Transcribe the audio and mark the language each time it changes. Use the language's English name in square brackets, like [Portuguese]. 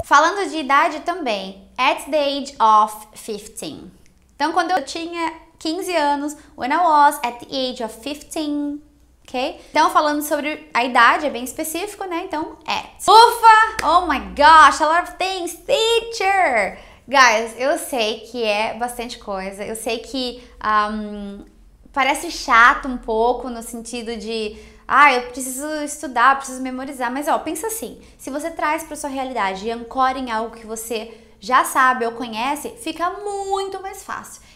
[Portuguese] Falando de idade também, [English] at the age of 15. [Portuguese] Então, quando eu tinha 15 anos, [English] when I was at the age of 15, ok? [Portuguese] Então, falando sobre a idade, é bem específico, né? Então, at. Ufa! [English] Oh my gosh, a lot of things, teacher! Guys, [Portuguese] eu sei que é bastante coisa, eu sei que parece chato um pouco no sentido de eu preciso estudar, preciso memorizar, mas ó, pensa assim, se você traz para sua realidade e ancora em algo que você já sabe ou conhece, fica muito mais fácil.